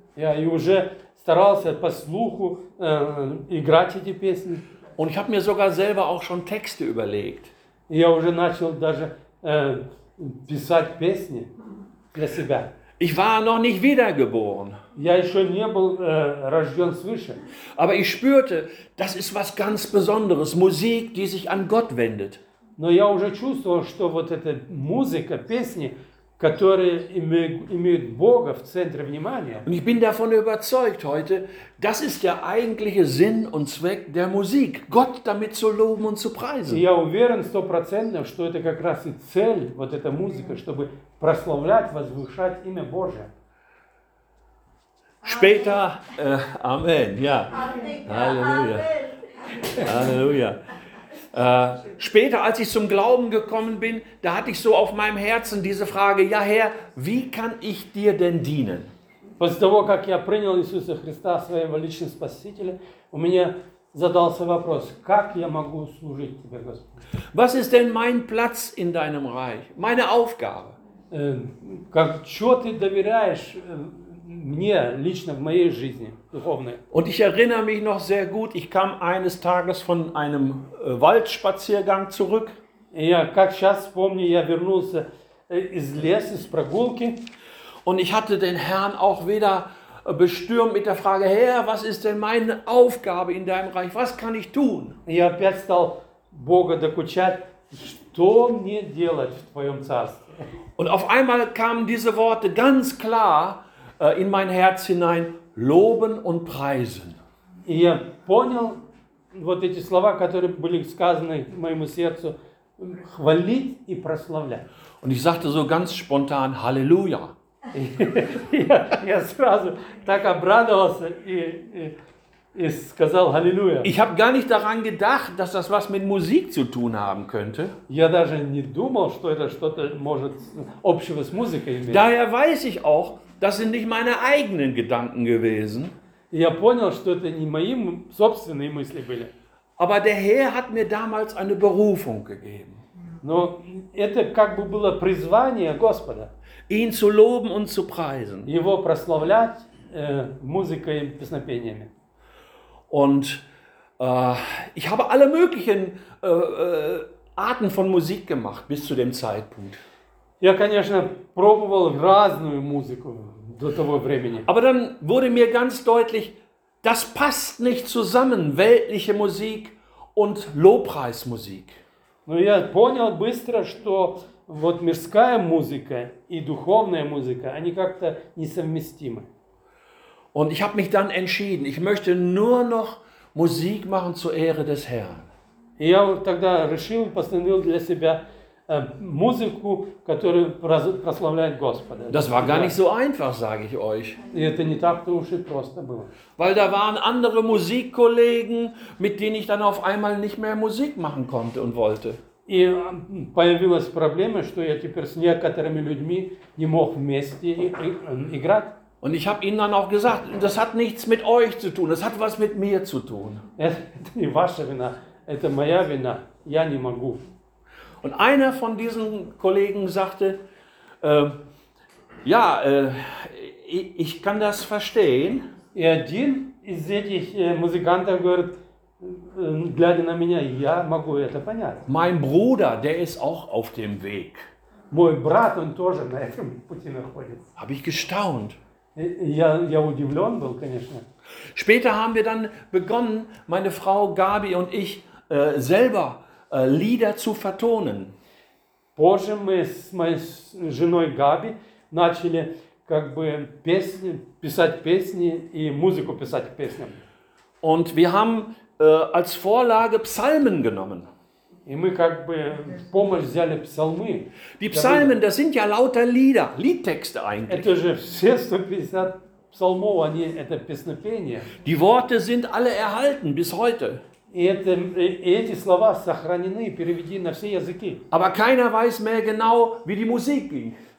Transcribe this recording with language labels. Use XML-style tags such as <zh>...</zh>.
<ru>Ja, и уже старался по слуху играть эти песни.</ru> <de>Und ich habe mir sogar selber auch schon Texte überlegt.</de> <ru>Я уже начал даже писать песни для себя.</ru> <de>Ich war noch nicht wiedergeboren.</de> <ru>Я еще не был рожден свыше.</ru> <de>Aber ich spürte, das ist was ganz Besonderes, Musik, die sich an Gott wendet.</de> <ru>Но я уже чувствовал, что вот эта музыка, песни, которые имеют Бога в центре внимания.</ru> <de>Und ich bin davon überzeugt heute, das ist der eigentliche Sinn und Zweck der Musik, Gott damit zu loben und zu preisen.</de> <ru>Я уверен 100%, что это как раз и цель вот эта музыка, чтобы прославлять, возвышать имя Божие.</ru> <de>Später, Amen, ja. Halleluja. Halleluja. Später, als ich zum Glauben gekommen bin, da hatte ich so auf meinem Herzen diese Frage, ja Herr, wie kann ich dir denn dienen?</de> <ru>После того, как я принял Иисуса Христа своим личным спасителем, у меня задался вопрос, как я могу служить тебе, Господь?</ru> <de>Was ist denn mein Platz in deinem Reich? Meine Aufgabe?</de> <ru>Как, что ты доверяешь мне лично в моей жизни духовной.</ru> <de>Und ich erinnere mich noch sehr gut, ich kam eines Tages von einem Waldspaziergang zurück.</de> <ru>Ja, как сейчас помню, я вернулся из леса, с прогулки.</ru> <de>Und ich hatte den Herrn auch wieder bestürmt mit der Frage, Herr, was ist denn meine Aufgabe in deinem Reich, was kann ich tun?</de> <ru>Я опять стал Бога докучать, что мне делать в твоем царстве?</ru> <de>Und auf einmal kamen diese Worte ganz klar in mein Herz hinein, loben und preisen.</de> <ru>Я понял вот эти слова, которые были сказаны моему сердцу, хвалить и прославлять.</ru> <de>Und ich sagte so ganz spontan, Halleluja.</de> <ru>Я сразу так обрадовался и сказал Halleluja.</ru> <de>Ich habe gar nicht daran gedacht, dass das was mit Musik zu tun haben könnte.</de> <ru>Я даже не думал, что это что-то может общего с музыкой иметь.</ru> <de>Daher weiß ich auch, das sind nicht meine eigenen Gedanken gewesen.</de> <ru>Я понял, что это не мои собственные мысли были.</ru> <de>Aber der Herr hat mir damals eine Berufung gegeben.</de> <ru>Но это как бы было призвание Господа.</ru> <de>Ihn zu loben und zu preisen.</de> <ru>Его прославлять музыкой и песнопениями.</ru> <de>Und ich habe alle möglichen Arten von Musik gemacht bis zu dem Zeitpunkt.</de> <ru>Я, конечно, пробовал разную музыку до того времени.</ru> <de>Aber dann wurde mir ganz deutlich, das passt nicht zusammen, weltliche Musik und Lobpreismusik.</de> <ru>Но я понял быстро, что вот мирская музыка и духовная музыка, они как-то несовместимы.</ru> <de>Und ich habe mich dann entschieden, ich möchte nur noch Musik machen zur Ehre des Herrn.</de> <ru>И я тогда решил, постановил для себя музыку, которую прославляет Господа.</ru> <de>Das war gar nicht so einfach, sage ich euch.</de> <ru>И это не так-то уж и просто было.</ru> <de>Weil da waren andere Musikkollegen, mit denen ich dann auf einmal nicht mehr Musik machen konnte und wollte.</de> <ru>И появилась проблема, что я теперь с некоторыми людьми не мог вместе играть.</ru> <de>Und ich habe ihnen dann auch gesagt, das hat nichts mit euch zu tun, das hat was mit mir zu tun.</de> <ru>Это не ваша вина, это моя вина, я не могу.</ru> <de>Und einer von diesen Kollegen sagte, ja, Ich kann das verstehen.</de> <ru>И один из этих музыкантов говорит, глядя на меня, я могу это понять.</ru> <de>Mein Bruder, der ist auch auf dem Weg.</de> <ru>Мой брат, он тоже на этом пути находится.</ru> <de>Habe ich gestaunt.</de> <ru>Я удивлен был, конечно.</ru> <de>Später haben wir dann begonnen, meine Frau Gabi und ich selber Lieder zu vertonen.</de> <ru>Позже мы с моей женой Габи начали как бы песни писать песни и музыку писать к песням.</ru> <de>Und wir haben als Vorlage Psalmen genommen.</de> <ru>И мы как бы в помощь взяли псалмы.</ru> <de>Die Psalmen, das sind ja lauter Lieder, Liedtexte eigentlich.</de> <ru>Это же все 150 псалмов, они это песнопения.</ru> <de>Die Worte sind alle erhalten bis heute.</de> <ru>Эти слова сохранены, переведены на все языки.</ru> <de>Aber keiner weiß mehr genau, wie die Musik ging.</de>